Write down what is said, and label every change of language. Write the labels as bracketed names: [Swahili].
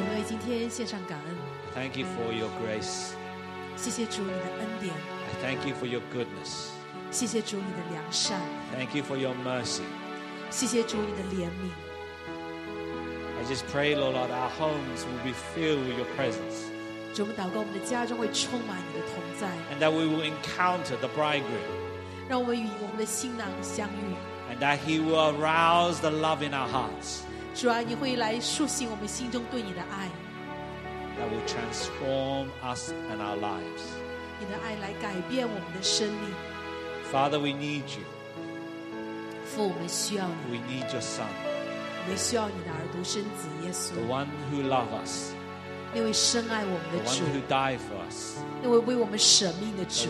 [English] Thank you for your grace. [Chinese] 谢谢主你的恩典。 [English] I thank you for your goodness. [Chinese] 谢谢主你的良善。 [English] Thank you for your mercy. [Chinese] 谢谢主你的怜悯。 [English] I just pray, Lord, that our homes will be filled with your presence. [Chinese] 主，我们祷告我们的家中会充满你的同在。 [English] And that we will encounter the bridegroom. [Chinese] 让我们与我们的新郎相遇。 [English] And that he will arouse the love in our hearts. [Chinese] 主啊，你会来苏醒我们心中对你的爱。 [English] That will transform us and our lives. [Chinese] 你的爱来改变我们的生命。 [English] Father, we need you. [Chinese] 父，我们需要你。 [English] We need your Son. [Chinese] 我们需要你的儿独生子耶稣。 [English] The one who loves us. [Chinese] 那位深爱我们的主。 [English] The one who died for us. [Chinese] 那位为我们舍命的主。